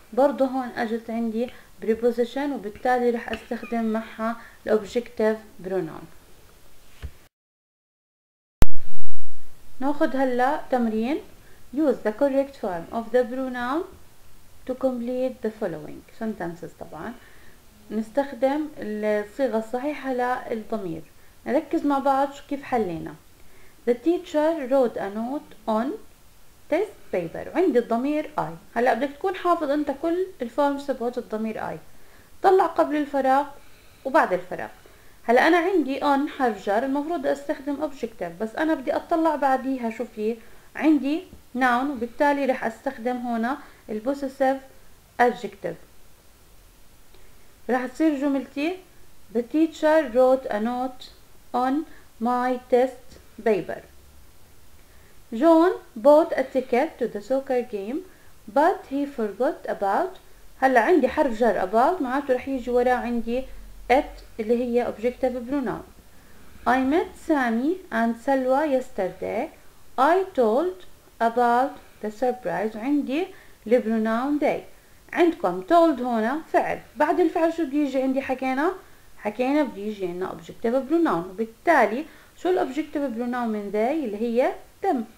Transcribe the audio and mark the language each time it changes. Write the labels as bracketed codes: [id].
[ar] برضو هون اجت عندي preposition، وبالتالي رح استخدم معها [en] objective pronoun. [ar] ناخذ هلا تمرين. [en] Use the correct form of the pronoun to complete the following sentences. [ar] طبعا نستخدم الصيغة الصحيحة للضمير. نركز مع بعض شو كيف حلينا. [en] The teacher wrote a note on test paper. [ar] عندي الضمير I. هلا بدك تكون حافظ انت كل الفورم سبوت الضمير I، طلع قبل الفراغ وبعد الفراغ. هلا انا عندي on حرف جر، المفروض استخدم objective، بس انا بدي اطلع بعديها شو في عندي noun، وبالتالي رح استخدم هنا [en] possessive adjective. [ar] رح تصير جملتي [en] the teacher wrote a note on my test paper. John bought a ticket to the soccer game but he forgot about. [ar] هلا عندي حرف جر about، معناته رح يجي وراء عندي it اللي هي [en] objective pronoun. I met Sammy and Salwa yesterday. I told about the surprise. [ar] عندي البروناون داي. عندكم told هنا فعل، بعد الفعل شو بيجي عندي؟ حكينا بيجي عندنا [en] objective pronoun، [ar] وبالتالي شو الobjective pronoun من داي؟ اللي هي them.